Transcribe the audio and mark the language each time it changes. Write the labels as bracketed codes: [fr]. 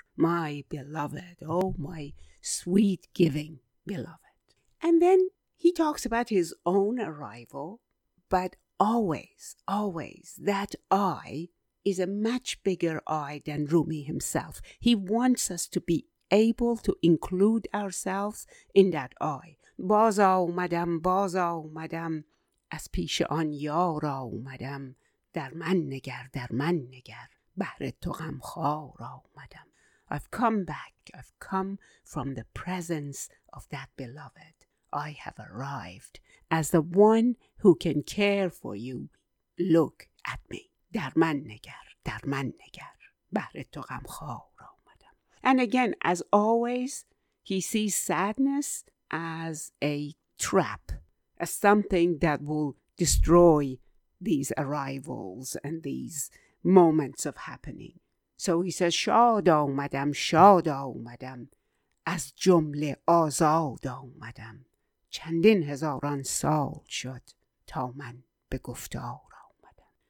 [en] My beloved. Oh, my sweet giving beloved. And then he talks about his own arrival. But always, always, that I is a much bigger I than Rumi himself. He wants us to be able to include ourselves in that eye. [fa] باز آمدم از پیش آن یار آمدم در من نگر، در من نگر، بهر تو غم خوار آمدم. [en] I've come back, I've come from the presence of that beloved. I have arrived as the one who can care for you. Look at me. [fa] در من نگر، در من نگر، بهر تو غم خوار آمدم. [en] And again, as always, he sees sadness as a trap, as something that will destroy these arrivals and these moments of happening. So he says, [fa] شاد آمدم، شاد آمدم، از جمله آزاد آمدم، چندین هزاران سال شد تا من به گفتار آمدم.